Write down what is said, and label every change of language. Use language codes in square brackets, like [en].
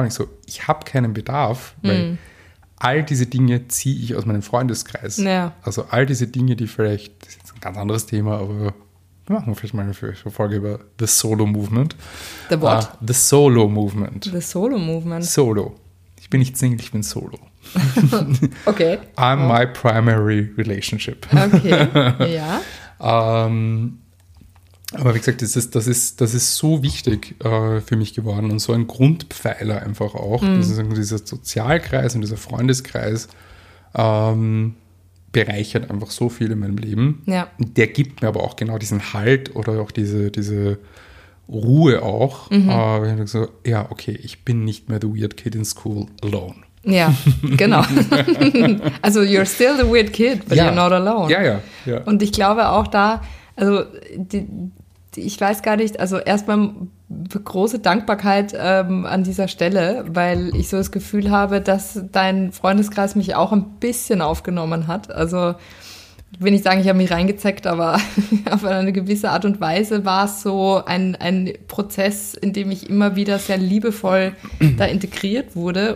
[de] Und ich so, ich habe keinen Bedarf, weil mhm, all diese Dinge ziehe ich aus meinem Freundeskreis. Naja. Also all diese Dinge, die vielleicht, das ist ein ganz anderes Thema, aber wir machen vielleicht mal eine Folge über The Solo Movement. [en] The what? The Solo Movement. The Solo Movement. Solo. [de] Ich bin nicht Single, ich bin Solo. Okay. [en] I'm my primary relationship. [de] Okay, ja. Aber wie gesagt, das ist so wichtig für mich geworden und so ein Grundpfeiler einfach auch. Mhm. Das ist, dieser Sozialkreis und dieser Freundeskreis bereichert einfach so viel in meinem Leben. Ja. Der gibt mir aber auch genau diesen Halt oder auch diese Ruhe auch. Mhm. Wenn ich so, ja, okay, ich bin nicht mehr [en] the weird kid in school alone. [de] Ja, genau. [en] Also you're still the weird kid, but ja, you're not alone. [de] Ja, ja, ja. Und ich glaube auch da, also ich weiß gar nicht, also erstmal große Dankbarkeit an dieser Stelle, weil ich so das Gefühl habe, dass dein Freundeskreis mich auch ein bisschen aufgenommen hat. Also will nicht sagen, ich habe mich reingezeckt, aber auf eine gewisse Art und Weise war es so ein Prozess, in dem ich immer wieder sehr liebevoll da integriert wurde.